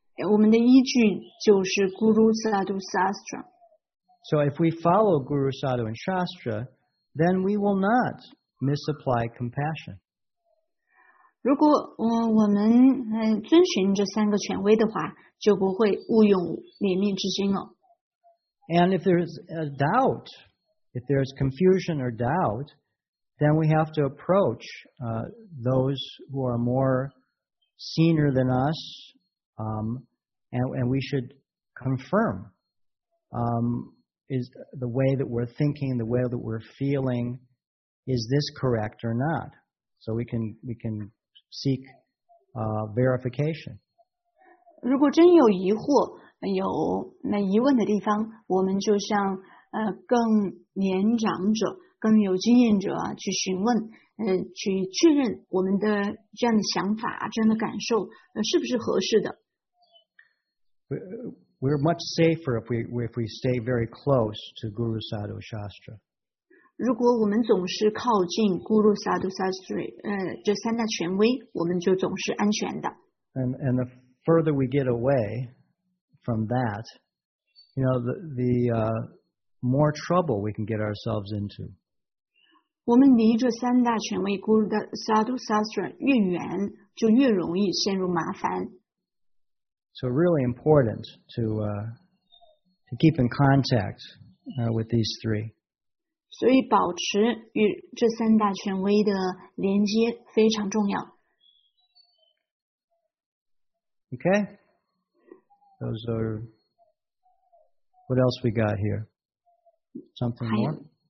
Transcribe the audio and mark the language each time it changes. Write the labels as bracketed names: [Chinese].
[Chinese] 我们的依据就是 guru, sadhu, shastra. [English] So if we follow guru, sadhu, and shastra. Then we will not misapply compassion. [Chinese] 如果我们遵循这三个权威的话，就不会误用怜悯之心了。 [English] And if there's a doubt, if there's confusion or doubt, then we have to approach those who are more senior than us, and we should confirm. Is the way that we're thinking, the way that we're feeling, is this correct or not? So we can seek verification. [Chinese] 如果真有疑惑，有那疑问的地方，我们就向更年长者、更有经验者去询问，去确认我们的这样的想法、这样的感受是不是合适的。 [English] We're much safer if we stay very close to Guru Sadhu Shastra. [Chinese] 如果我们总是靠近 Guru Sadhu Shastra, 这三大权威，我们就总是安全的。 [English] And the further we get away from that, you know, more trouble we can get ourselves into. [Chinese] 我们离这三大权威 Guru Sadhu Shastra 越远，就越容易陷入麻烦。 [English] So really important to keep in contact with these three. [Chinese] 所以保持与这三大权威的连接非常重要。 [English] Okay, those are. What else we got here? Something more?